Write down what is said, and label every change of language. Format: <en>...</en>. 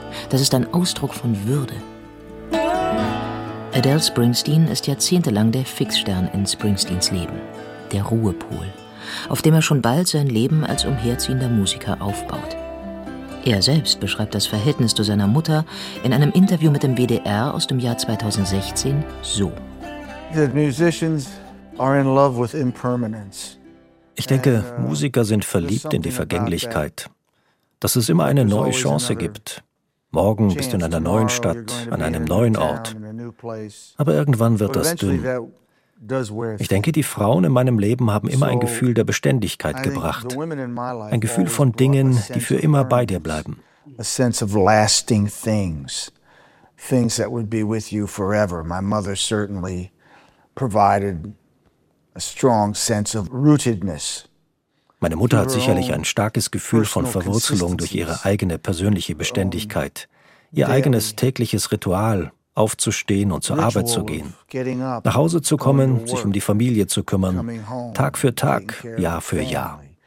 <de>Das ist ein Ausdruck von Würde. Adele Springsteen ist jahrzehntelang der Fixstern in Springsteens Leben. Der Ruhepol, auf dem er schon bald sein Leben als umherziehender Musiker aufbaut. Er selbst beschreibt das Verhältnis zu seiner Mutter in einem Interview mit dem WDR aus dem Jahr 2016 so.</de> <en>that musicians are in love with impermanence.</en> <de>Ich denke, Musiker sind verliebt in die Vergänglichkeit. Dass es immer eine neue Chance gibt. Morgen bist du in einer neuen Stadt, an einem neuen Ort. Aber irgendwann wird das dünn. Ich denke, die Frauen in meinem Leben haben immer ein Gefühl der Beständigkeit gebracht. Ein Gefühl von Dingen, die für immer bei dir bleiben.</de> <en>A sense of lasting things, things that would be with you forever. My mother certainly provided a strong sense of rootedness.</en> <de>Meine Mutter hat sicherlich ein starkes Gefühl von Verwurzelung durch ihre eigene persönliche Beständigkeit, ihr eigenes tägliches Ritual, aufzustehen und zur Arbeit zu gehen, nach Hause zu kommen, sich um die Familie zu kümmern, Tag für Tag, Jahr für Jahr.</de>